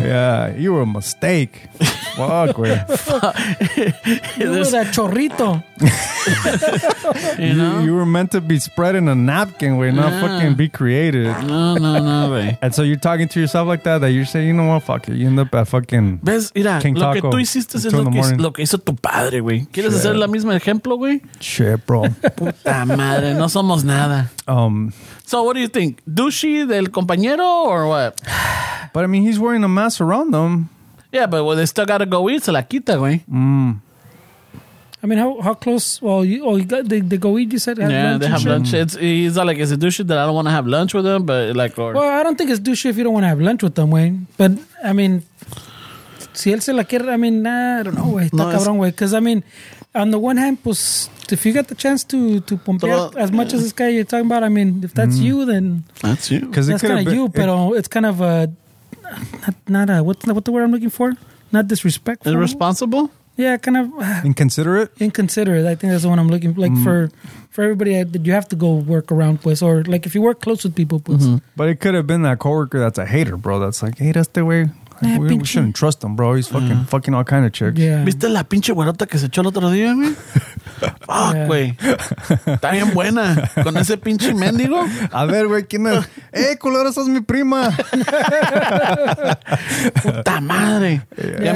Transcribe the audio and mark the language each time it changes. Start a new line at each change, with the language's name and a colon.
English: Yeah, you were a mistake. Fuck, güey. You were that chorrito. You know? You were meant to be spreading a napkin, güey, not fucking be creative.
Spanish: No, güey.
English: And so you're talking to yourself like that, that you're saying, you know what, fuck it. You end up at fucking
Spanish: ¿ves? Mira, King Taco. Lo que tú hiciste es lo que hizo tu padre, güey. ¿Quieres hacer la misma ejemplo, güey?
English: Shit, bro.
Spanish: Puta madre, no somos nada.
English: So what do you think? Douchey del compañero or what? But I mean, he's wearing a mask around them. Yeah, but well, they still got to go eat,
Spanish: se la quita, güey. Mm.
English: I mean, how close? Well, they go eat, you said? Lunch. It's, he's not like, is it douchey that I don't want to have lunch with them? But like, or, well, I don't think it's douchey if you don't want to have lunch with them, güey. But I mean,
Spanish: si él se la quiere,
English: I mean, nah, I don't know, güey.
Spanish: No, está cabrón, güey.
English: Because I mean, on the one hand, pues, if you got the chance to pompear as much as this guy you're talking about, I mean, if that's you, then that's you. Because it's kind of you, pero it's kind of a not a what the word I'm looking for? Not disrespectful. Irresponsible. Yeah, kind of inconsiderate. Inconsiderate. I think that's the one I'm looking like for everybody that you have to go work around with, or like if you work close with people.
Spanish: Pues. Mm-hmm.
English: But it could have been that coworker that's a hater, bro. That's like, hey, that's the way. We shouldn't trust him, bro. He's fucking all kind of chicks. Yeah.
Spanish: ¿Viste la pinche guarota que se echó el otro día, güey? Fuck, güey. Está bien buena. Con ese pinche mendigo. A ver, güey, ¿quién es? ¡Eh, culero, sos mi prima! ¡Puta madre! Yeah.